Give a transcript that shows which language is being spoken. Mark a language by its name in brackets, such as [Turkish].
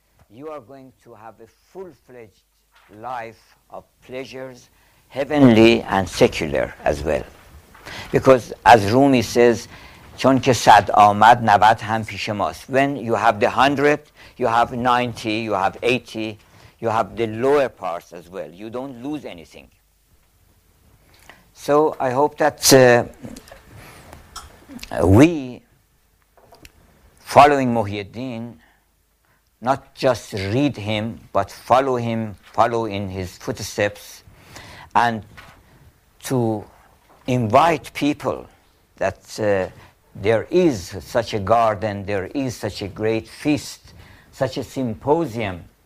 [English] you are going to have a full-fledged life of pleasures, heavenly and secular as well. Because as Rumi says, [Persian] چون که صد آمد نود هم پیش ماست. [English] When you have the 100, you have 90, you have 80, you have the lower parts as well. You don't lose anything. So I hope that we, following Muhyiddin, not just read him, but follow him, follow in his footsteps, and to invite people that there is such a garden, there is such a great feast, such a symposium.